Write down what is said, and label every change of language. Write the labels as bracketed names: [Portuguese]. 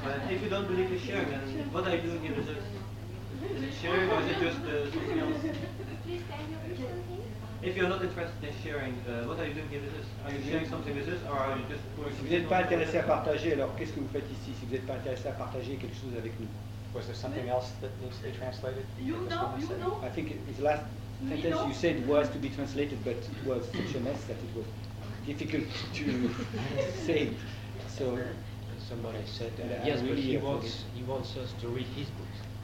[English] If you don't believe the sharing, then what are you doing here? Is it sharing or is it just something else? Please tell me. If you're not interested in sharing, what are you doing here? Are you sharing something with us or are you just going to... [French] Si vous n'êtes pas intéressé à partager, alors qu'est-ce que vous faites ici? Si vous n'êtes pas intéressé à partager quelque chose avec nous. [English] Was there something else that needs to be translated? You know. I think the last sentence you said was to be translated, but it was such a mess that it was difficult to say. So somebody said that. Yes, but he wants us to read his books.